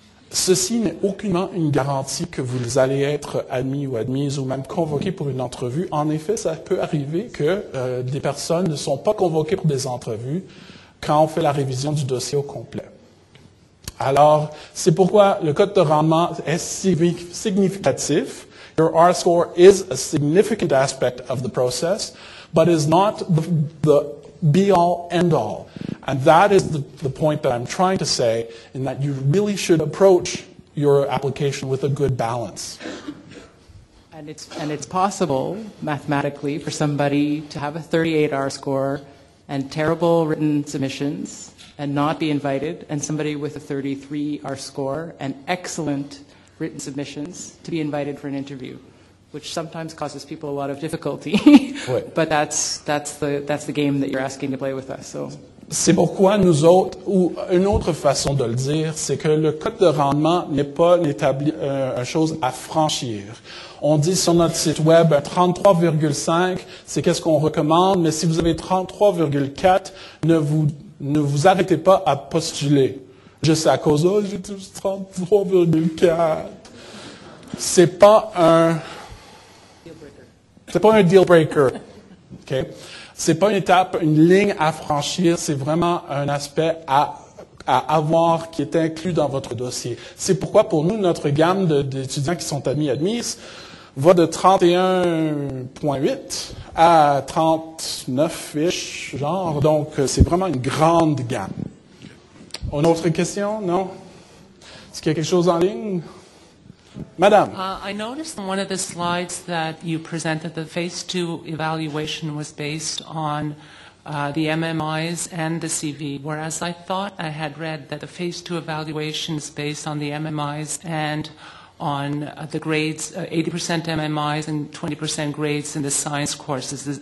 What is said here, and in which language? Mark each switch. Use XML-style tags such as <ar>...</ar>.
<fr>Ceci n'est aucunement une garantie que vous allez être admis ou admise ou même convoqué pour une entrevue. En effet, ça peut arriver que des personnes ne sont pas convoquées pour des entrevues quand on fait la révision du dossier au complet. Alors, c'est pourquoi le code de rendement est significatif.</fr> <en>Your R-score is a significant aspect of the process, but is not the be-all, end-all. And that is the point that I'm trying to say, in that you really should approach your application with a good balance. And it's possible, mathematically, for somebody to have a 38 R-score and terrible written submissions and not be invited, and somebody with a 33 R-score and excellent written submissions to be invited for an interview. which sometimes causes people a lot of difficulty.</en> <fr>Oui.</fr> <en>But that's the game that you're asking to play with us. So.</en> <fr>C'est pourquoi nous autres, ou une autre façon de le dire, c'est que le code de rendement n'est pas une chose à franchir. On dit sur notre site web 33,5, c'est qu'est-ce qu'on recommande, mais si vous avez 33,4, ne vous arrêtez pas à postuler. Juste à cause, oh, j'ai 33,4. C'est pas un deal breaker. OK? C'est pas une étape, une ligne à franchir. C'est vraiment un aspect à avoir qui est inclus dans votre dossier. C'est pourquoi pour nous, notre gamme d'étudiants qui sont admis va de 31,8 à 39-ish, genre. Donc, c'est vraiment une grande gamme. Une autre question? Non? Est-ce qu'il y a quelque chose en ligne? Madame.</fr> <en>I noticed in one of the slides that you presented that phase two evaluation was based on the MMIs and the CV, whereas I thought I had read that the phase two evaluation is based on the MMIs and on the grades, 80% MMIs and 20% grades in the science courses.</en>